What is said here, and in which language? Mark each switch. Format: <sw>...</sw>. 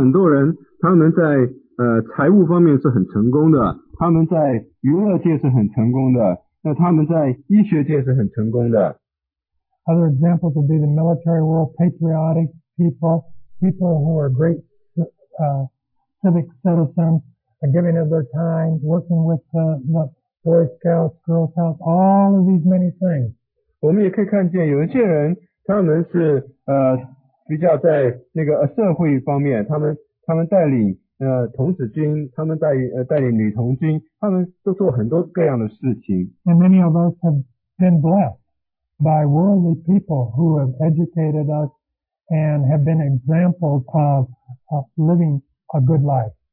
<zh>我们也可以看见，在世界上有很多人，他们在 财务方面是很成功的，他们在娱乐界是很成功的，那他们在医学界是很成功的。</zh> <en>Other examples would be the military world, patriotic people, people who are great civic citizens, are giving of their time, working with the Boy Scouts, Girl Scouts, all of these many things.</en> <zh>我们也可以看见有一些人，他们是比较在那个社会方面，他们带领。童子军，他们带领女童军，他们都做很多各样的事情。</zh> <en>And many of us have been blessed by worldly people who have educated us and have been examples of living a good life.</en>